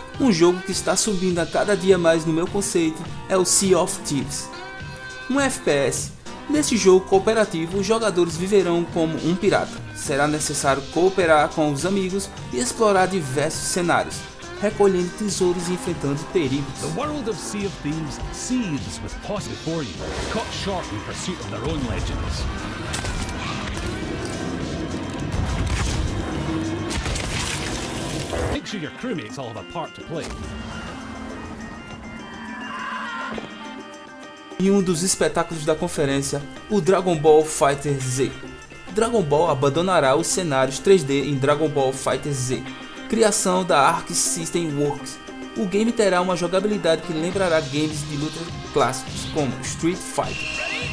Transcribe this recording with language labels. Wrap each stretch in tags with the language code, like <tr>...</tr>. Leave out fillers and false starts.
<pt>um jogo que está subindo a cada dia mais no meu conceito é o Sea of Thieves. Um FPS. Nesse jogo cooperativo, os jogadores viverão como um pirata. Será necessário cooperar com os amigos e explorar diversos cenários, recolhendo tesouros e enfrentando perigos.</pt> <en>The world of Sea of Thieves seethes with posse before you, caught short in pursuit of their own legends. Make sure your crewmates all have a part to play.</en> <pt>E um dos espetáculos da conferência, o Dragon Ball FighterZ. Dragon Ball abandonará os cenários 3D em Dragon Ball FighterZ, criação da Arc System Works. O game terá uma jogabilidade que lembrará games de luta clássicos como Street Fighter.</pt>